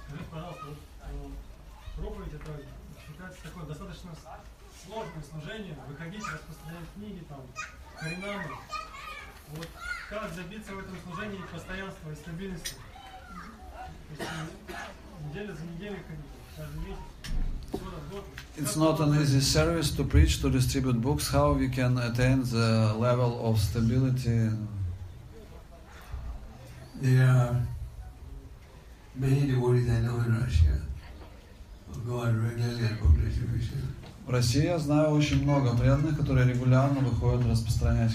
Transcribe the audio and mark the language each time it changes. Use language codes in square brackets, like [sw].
[ru] Пожалуйста, такое достаточно сложное служение, выходить, распространять книги, там, харинамы. Вот как добиться в этом служении постоянства и стабильности? То есть, неделя за неделей ходить, каждый месяц. [en] It's not an easy service to preach, to distribute books. How we can attain the level of stability? There are many devotees I know in Russia who go on regularly and book distribution. [ru] В России я знаю очень много преданных, которые регулярно выходят распространять